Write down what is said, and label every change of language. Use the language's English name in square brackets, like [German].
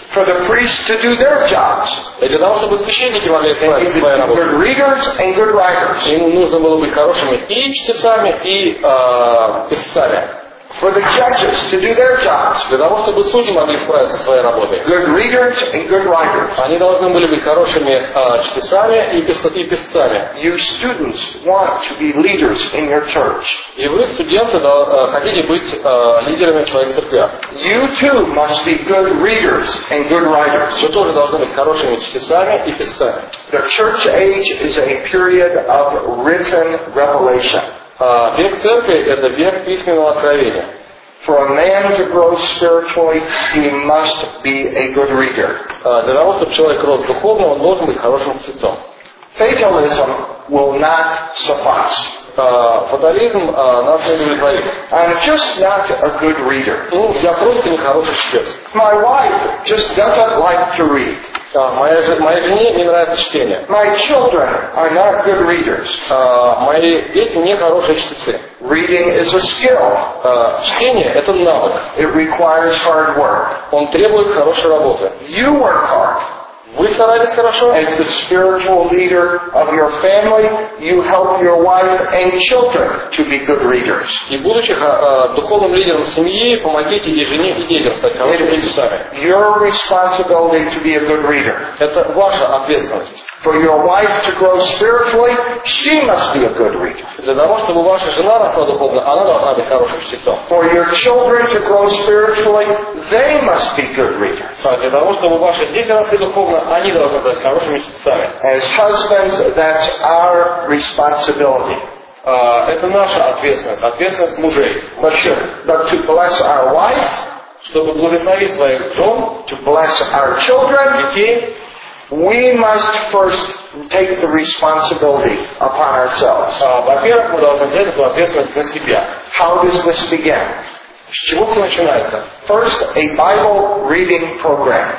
[English] For the priests to do their jobs. [Russian] И для того, чтобы священники могли сделать свою работу. [English] Good readers and good writers. [Russian] Им нужно было быть хорошими и чтецами, и писцами. [English] for the judges to do their jobs. [Russian] Для того, чтобы судьи могли справиться со своей работой. [English] Good readers and good writers. [Russian] Они должны были быть хорошими чтецами и писцами. [English] You students want to be leaders in your church. [Russian] И вы, студенты, хотите быть лидерами в своих церквях. [English] You too must be good readers and good writers. [Russian] Вы тоже должны быть хорошими чтецами и писцами. [English] The church age is a period of written revelation. [Russian] Век церкви – это век письменного откровения. [English] For a man to grow spiritually, he must be a good reader. [Russian] Для того, чтобы человек рос духовно, он должен быть хорошим чтецом. [English] Fatalism will not suffice. [Russian] Фатализм нас не удовлетворит. [English] I'm just not a good reader. [Russian] Ну, я просто не хороший чтец. [English] My wife just doesn't like to read. [Russian] Моей жене не нравится чтение. [English] My children are not good readers. [Russian] Мои дети не хорошие чтецы. [English] Reading is a skill. [Russian] Чтение – это навык. [English] It requires hard work. [Russian] Он требует хорошей работы. [English] You work hard. [Russian] Вы старались хорошо? [English] As the spiritual leader of your family, you help your wife and children to be good readers. [Russian] И будучи духовным лидером семьи, помогите и жене, и детям стать хорошими чтецами. [English] Your responsibility to be a good reader. [Russian] Это ваша ответственность. [English] For your wife to grow spiritually, she must be a good reader. [Russian] Для того, чтобы ваша жена росла духовно, она должна быть хорошим чтецом. [English] For your children to grow spiritually, they must be good readers. [Russian] Для того, чтобы ваши дети росли духовно, они должны быть хорошими чтецами. [English] As husbands, that's our responsibility. [Russian] Это наша ответственность, ответственность мужей. [English] But to bless our wife, [Russian] чтобы благословить своих жен, [English] to bless our children, [Russian] детей, [English] we must first take the responsibility upon ourselves. [Russian] Во-первых, мы должны взять эту ответственность на себя. [English] How does this begin? [Russian] С чего все начинается? [English] First, a Bible reading program.